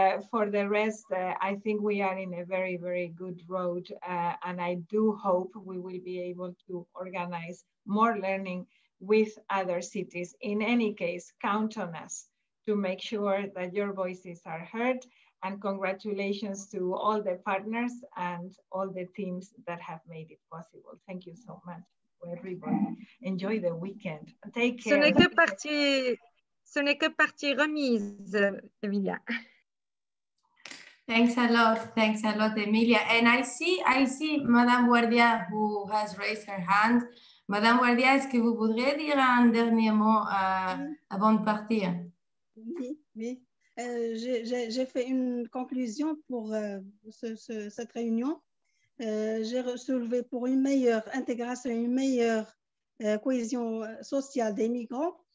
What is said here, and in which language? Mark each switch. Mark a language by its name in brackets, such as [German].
[English] For the rest, I think we are in a very, very good road, and I do hope we will be able to organize more learning with other cities. In any case, count on us to make sure that your voices are heard, and congratulations to all the partners and all the teams that have made it possible. Thank you so much to everybody. Enjoy the weekend. Take care. [French] Ce n'est que partie, ce n'est que partie remise, Emilia. [English] Thanks a lot, Emilia. And I see Madame Guardia who has raised her hand. [French] Madame Guardia, est-ce que vous voudriez dire un dernier mot avant de partir? Oui. J'ai fait une conclusion pour cette réunion. J'ai soulevé pour une meilleure intégration, une meilleure cohésion sociale des migrants.